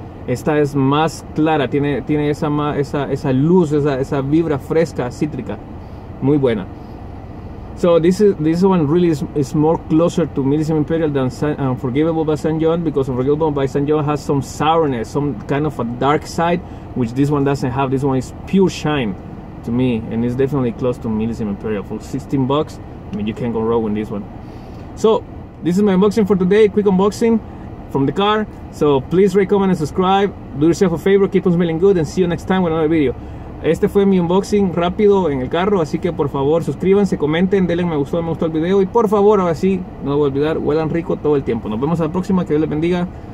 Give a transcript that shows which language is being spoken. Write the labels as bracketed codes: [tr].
[es] Esta es más clara, tiene esa luz, esa vibra fresca, cítrica. Muy buena. [en] So this one really is more closer to Medicine Imperial than Unforgivable by St. John, because Unforgivable by St. John has some sourness, some kind of a dark side, which this one doesn't have. This one is pure shine to me, and it's definitely close to Medicine Imperial. For $16, I mean, you can't go wrong with this one. So this is my unboxing for today, quick unboxing from the car. So please rate, comment, and subscribe. Do yourself a favor, keep on smelling good, and see you next time with another video. [es] Este fue mi unboxing rápido en el carro, así que por favor suscríbanse, comenten, denle me gustó el video, y por favor, ahora sí, no voy a olvidar, huelan rico todo el tiempo. Nos vemos a la próxima, que Dios les bendiga.